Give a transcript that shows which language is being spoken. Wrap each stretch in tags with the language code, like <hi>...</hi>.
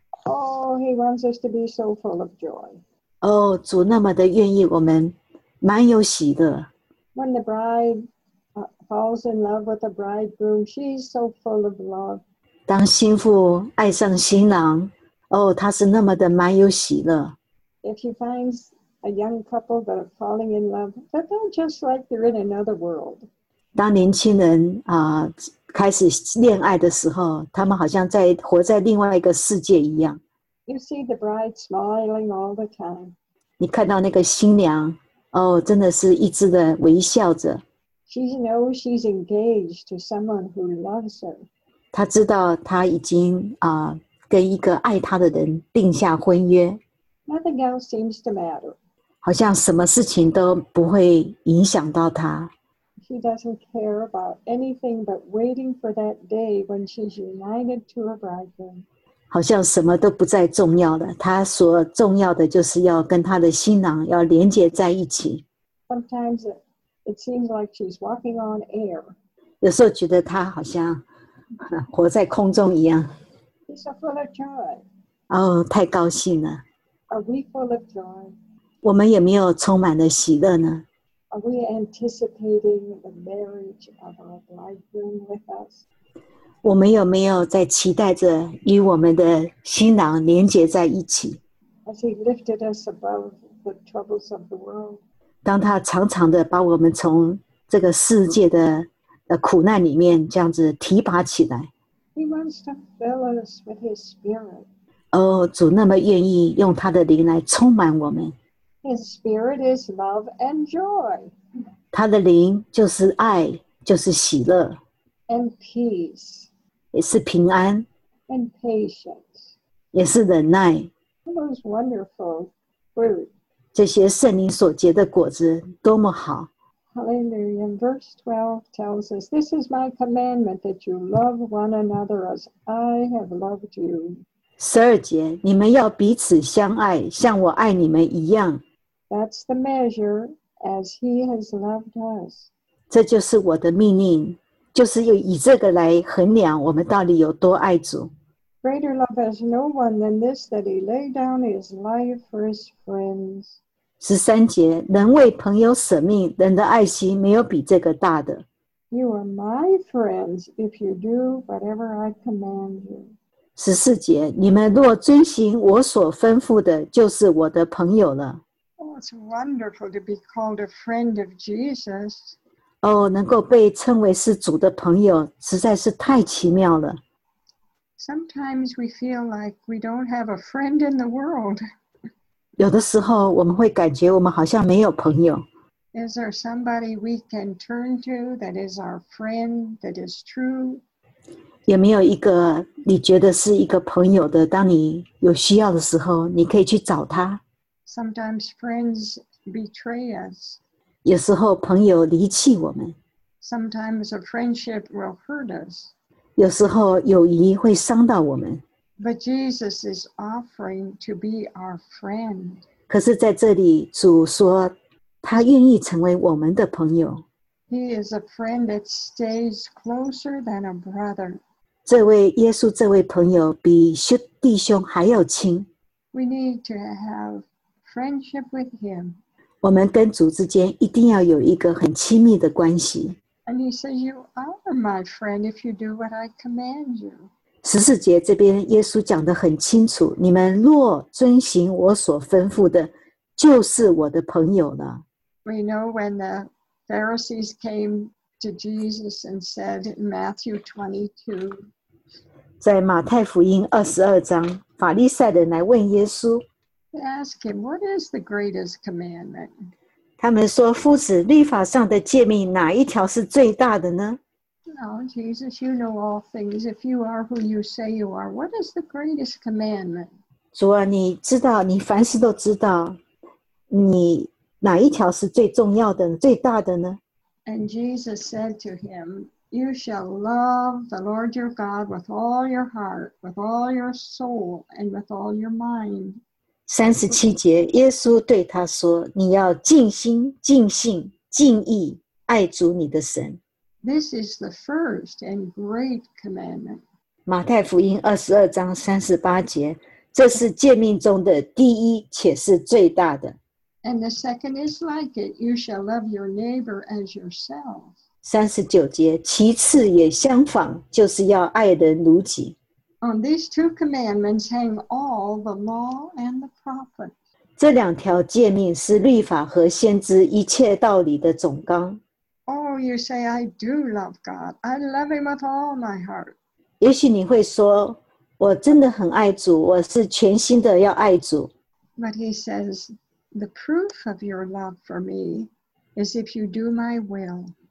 <en>Oh, he wants us to be so full of joy.</en> <zh>哦，主那么的愿意我们满有喜乐。</zh> <en>When the bride falls in love with the bridegroom, she's so full of love.</en> <zh>当新妇爱上新郎，哦，她是那么的满有喜乐。</zh> <en>If she finds a young couple that are falling in love, they're just like they're in another world.</en> <zh>当年轻人开始恋爱的时候，他们好像在活在另外一个世界一样。</zh> <en>You see the bride smiling all the time.</en> <zh>你看到那个新娘，哦，真的是一直的微笑着。</zh> <en>She knows she's engaged to someone who loves her.</en> <zh>她知道她已经跟一个爱她的人定下婚约。</zh> <en>Nothing else seems to matter.</en> <zh>好像什么事情都不会影响到她。</zh> <en>She doesn't care about anything but waiting for that day when she's united to her bridegroom.</en> <zh>好像什么都不再重要了，她所重要的就是要跟她的新郎要连接在一起。</zh> <en>Sometimes it seems like she's walking on air.</en> <zh>有时候觉得她好像活在空中一样。</zh> <en>She's so full of joy.</en> <zh>哦，太高兴了。</zh> <en>Are we full of joy?</en> <zh>我们有没有充满了喜乐呢？</zh> <en>Are we anticipating the marriage of our bridegroom with us?</en> <zh>我们有没有在期待着与我们的新郎连接在一起？</zh> <en>As he lifted us above the troubles of the world.</en> <zh>当他常常的把我们从这个世界的苦难里面这样子提拔起来。</zh> <en>He wants to fill us with his spirit.</en> <zh>哦，主那么愿意用他的灵来充满我们。</zh> <en>His spirit is love and joy.</en> <zh>他的灵就是爱，就是喜乐。</zh> <en>And peace.</en> <zh>也是平安。</zh> <en>And patience.</en> <zh>也是忍耐。</zh> <en>Those wonderful fruit.</en> <zh>这些圣灵所结的果子多么好。</zh> <en>Hallelujah. Verse 12 tells us, This is my commandment that you love one another as I have loved you.</en> <zh>十二节，你们要彼此相爱，像我爱你们一样。</zh> <en>That's the measure as he has loved us.</en> <zh>这就是我的命令，就是以这个来衡量我们到底有多爱主。</zh> <en>Greater love has no one than this, that he lay down his life for his friends.</en> <zh>13节，能为朋友舍命，人的爱心没有比这个大的。</zh> <en>You are my friends if you do whatever I command you.</en> <zh>14节，你们若遵行我所吩咐的，就是我的朋友了。</zh> <en>Oh, it's wonderful to be called a friend of Jesus.</en> <zh>哦，能够被称为是主的朋友，实在是太奇妙了。</zh> <en>Sometimes we feel like we don't have a friend in the world.</en> <zh>有的时候我们会感觉我们好像没有朋友。</zh> <en>Is there somebody we can turn to that is our friend, that is true?</en> <zh>有没有一个你觉得是一个朋友的，当你有需要的时候，你可以去找他？</zh> <en>Sometimes friends betray us.</en> <zh>有时候朋友离弃我们。</zh> <en>Sometimes a friendship will hurt us.</en> <zh>有时候友谊会伤到我们。</zh> <en>But Jesus is offering to be our friend.</en> <zh>可是在这里，主说他愿意成为我们的朋友。</zh> <en>He is a friend that stays closer than a brother.</en> <zh>这位耶稣这位朋友比弟兄还要亲。</zh> <en>We need to have friendship with him.</en> <zh>我们跟主之间一定要有一个很亲密的关系。</zh> <en>And he says, you are my friend if you do what I command you.</en> <zh>十四节这边耶稣讲得很清楚，你们若遵行我所吩咐的，就是我的朋友了。</zh> <en>We know when the Pharisees came to Jesus and said in Matthew 22,</en> <zh>在马太福音22章，法利赛人来问耶稣。</zh> <en>They ask him, what is the greatest commandment?</en> <zh>他们说，夫子，律法上的诫命哪一条是最大的呢？</zh> <en>Now, Jesus, you know all things. If you are who you say you are, what is the greatest commandment?</en> <zh>主啊，你知道，你凡事都知道。你哪一条是最重要的、最大的呢？</zh> <en>And Jesus said to him, you shall love the Lord your God with all your heart, with all your soul, and with all your mind.</en> <zh>三十七节，耶稣对他说，你要尽心、尽性、尽意爱主你的神。</zh> <en>This is the first and great commandment.</en> <zh>马太福音22章38节，这是诫命中的第一且是最大的。</zh> <en>And the second is like it, you shall love your neighbor as yourself.</en> <zh>39节，其次也相仿，就是要爱人如己。</zh> <en>On these two commandments hang all the law and the prophets.</en> <zh>这两条诫命是律法和先知一切道理的总纲。</zh> <en>Oh, you say, I do love God. I love him with all my heart.</en> <zh>也许你会说，我真的很爱主，我是全心的要爱主。</zh> <en>But he says, the proof of your love for me is if you do my will.</en>